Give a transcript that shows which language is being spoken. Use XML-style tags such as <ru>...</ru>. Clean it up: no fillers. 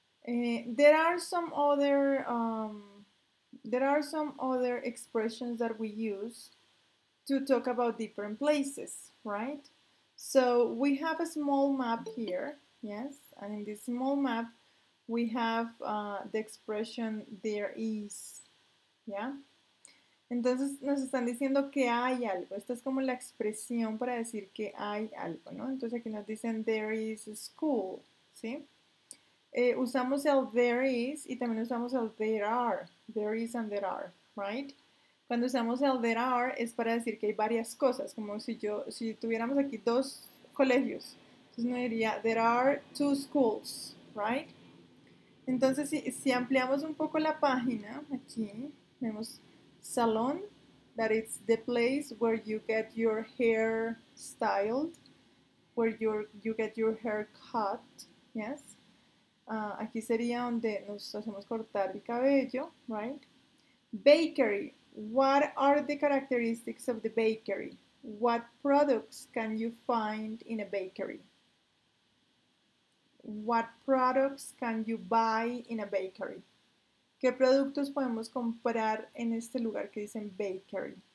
<en>There are some other expressions that we use to talk about different places, right? So we have a small map here, yes? And in this small map, we have the expression there is, yeah?</en> <es>Entonces nos están diciendo que hay algo. Esta es como la expresión para decir que hay algo, ¿no? Entonces aquí nos dicen there is a school, ¿sí? Usamos el there is y también usamos el there are.</es> <en>There is and there are, right?</en> <es>Cuando usamos el there are es para decir que hay varias cosas, como si yo, si tuviéramos aquí dos colegios. Entonces uno diría,</es> <en>there are two schools, right?</en> <es>Entonces, si ampliamos un poco la página, aquí vemos salón,</es> <en>that is the place where you get your hair styled, where you get your hair cut, yes?</en> <es>Aquí sería donde nos hacemos cortar el cabello, right?</es> <en>Bakery, what are the characteristics of the bakery? What products can you find in a bakery? What products can you buy in a bakery?</en> <es>¿Qué productos podemos comprar en este lugar que dicen bakery?</es>